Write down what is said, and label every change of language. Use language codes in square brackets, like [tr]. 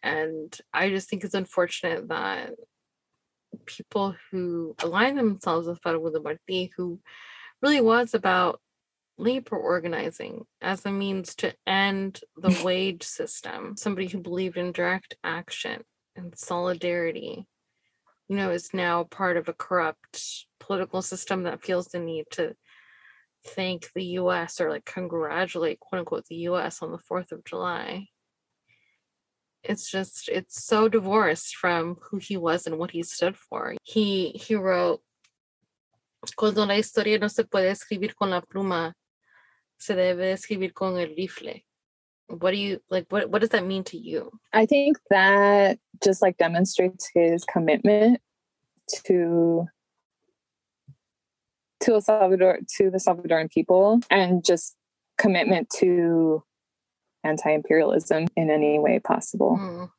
[en] And I just think it's unfortunate that people who align themselves with Fray Luis Martí, who really was about labor organizing as a means to end the wage system, somebody who believed in direct action and solidarity, you know, is now part of a corrupt political system that feels the need to thank the U.S. or like congratulate quote unquote the U.S. on the 4th of July. It's so divorced from who he was and what he stood for. He wrote, [es] cuando la historia no se puede escribir con la pluma, se debe escribir con el rifle. [en] What does that mean to you? I think that just like demonstrates his commitment to El Salvador, to the Salvadoran people, and just commitment to anti-imperialism in any way possible.